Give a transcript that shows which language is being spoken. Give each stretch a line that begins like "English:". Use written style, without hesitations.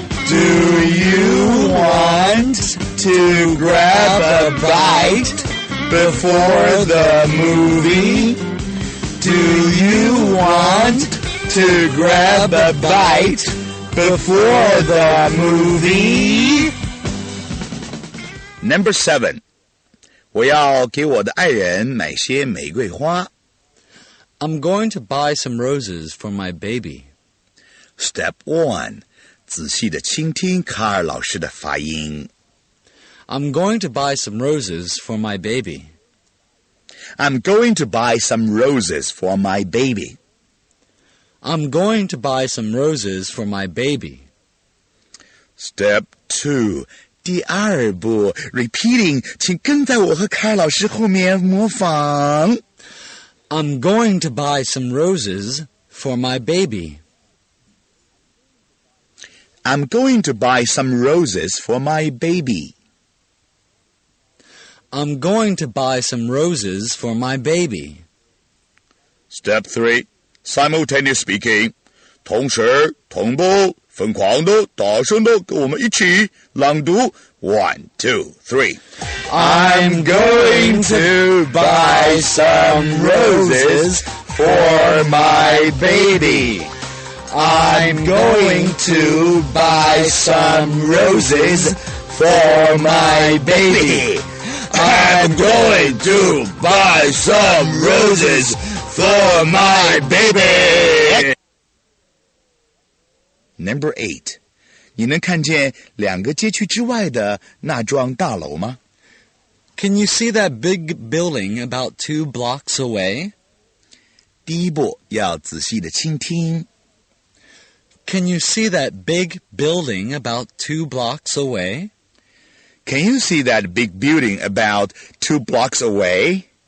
English: Do you want to grab a bite before the movie? Do you want to grab a bite before the movie? Number 7.
Chinese: 我要给我的爱人买些玫瑰花。
English: I'm going to buy some roses for my baby. Step 1.
Chinese: 仔细地倾听卡尔老师的发音。
English: I'm going to buy some roses for my baby. I'm going to buy some roses for my baby. I'm going to buy some roses for my baby. Step 2,
Chinese: 第二步 ,
English: repeating,
Chinese: 请跟在我和凯老师后面模仿。
English: I'm going to buy some roses for my baby. I'm going to buy some roses for my baby. I'm going to buy some roses for my baby. Step 3. Simultaneous speaking.
Chinese: 同时,同步,疯狂的,大声的,跟我们一起朗读。
English: 1, 2, 3. I'm going to buy some roses for my baby. I'm going to buy some roses for my baby. I'm going to buy some roses for my baby. Number 8.
Chinese: 你能看见两个街区之外的那幢大楼吗?
English: Can you see that big building about 2 blocks away?
Chinese: 第一步要仔细地倾听。
English: Can you see that big building about 2 blocks away? Can you see that big building about 2 blocks away?